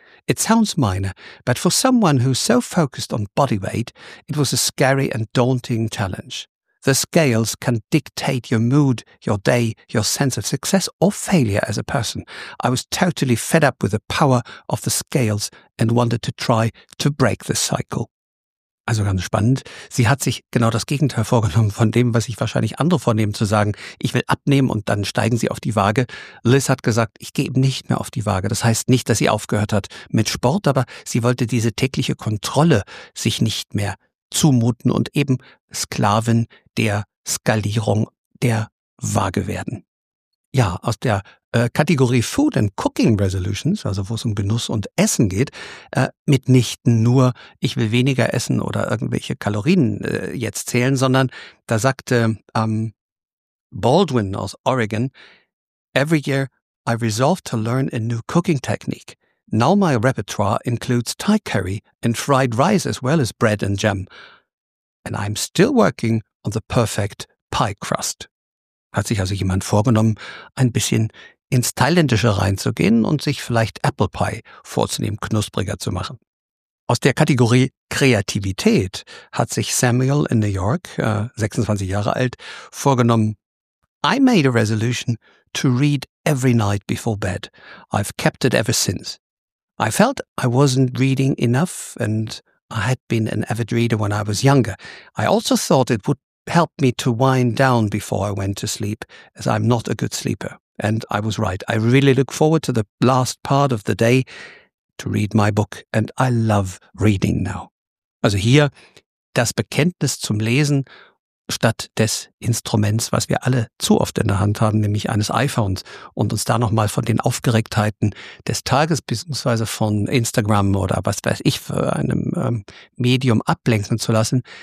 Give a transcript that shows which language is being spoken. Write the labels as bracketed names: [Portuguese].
[English] It sounds minor, but for someone who's so focused on body weight, it was a scary and daunting challenge. The scales can dictate your mood, your day, your sense of success or failure as a person. I was totally fed up with the power of the scales and wanted to try to break the cycle." [German] Also ganz spannend. Sie hat sich genau das Gegenteil vorgenommen von dem, was sich wahrscheinlich andere vornehmen, zu sagen, ich will abnehmen und dann steigen sie auf die Waage. Liz hat gesagt, ich gehe nicht mehr auf die Waage. Das heißt nicht, dass sie aufgehört hat mit Sport, aber sie wollte diese tägliche Kontrolle sich nicht mehr zumuten und eben Sklavin der Skalierung der Waage werden. Ja, aus der Kategorie Food and Cooking Resolutions, also wo es um Genuss und Essen geht, mitnichten nur, ich will weniger essen oder irgendwelche Kalorien jetzt zählen, sondern da sagte Baldwin aus Oregon, [English] "Every year I resolve to learn a new cooking technique. Now my repertoire includes Thai curry and fried rice as well as bread and jam. And I'm still working on the perfect pie crust." [German] Hat sich also jemand vorgenommen, ein bisschen ins Thailändische reinzugehen und sich vielleicht Apple Pie vorzunehmen, knuspriger zu machen. Aus der Kategorie Kreativität hat sich Samuel in New York, 26 Jahre alt, vorgenommen: [English] I made a resolution to read every night before bed. I've kept it ever since. I felt I wasn't reading enough and I had been an avid reader when I was younger. I also thought it would help me to wind down before I went to sleep, as I'm not a good sleeper. And I was right. I really look forward to the last part of the day to read my book, and I love reading now. [German] Also hier das Bekenntnis zum Lesen statt des Instruments, was wir alle zu oft in der Hand haben, nämlich eines iPhones, und uns da nochmal von den Aufgeregtheiten des Tages bzw. von Instagram oder was weiß ich für einem Medium ablenken zu lassen.